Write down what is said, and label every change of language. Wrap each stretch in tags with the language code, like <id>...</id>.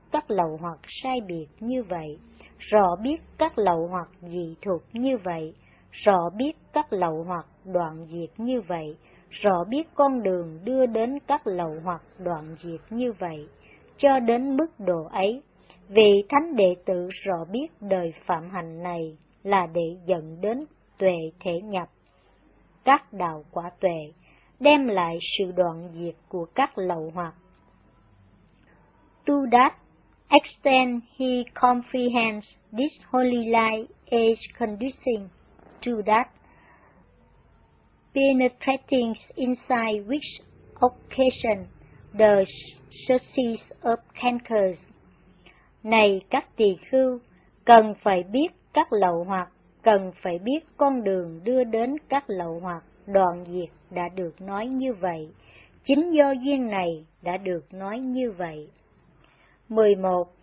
<vi>các lậu hoặc sai biệt như vậy, rõ biết các lậu hoặc dị thuộc như vậy, rõ biết các lậu hoặc đoạn diệt như vậy, rõ biết con đường đưa đến các lậu hoặc đoạn diệt như vậy. Cho đến mức độ ấy, vị thánh đệ tử rõ biết đời phạm hạnh này là để dẫn đến tuệ thể nhập, các đạo quả tuệ, đem lại sự đoạn diệt của các lậu hoặc.</vi> <en>To that extent he comprehends this holy life is conducing to that penetrating inside which occasion the sources of cankers.</en> <vi>Này các tỳ khưu, cần phải biết các lậu hoặc, cần phải biết con đường đưa đến các lậu hoặc đoạn diệt đã được nói như vậy, chính do duyên này đã được nói như vậy. 11.</vi>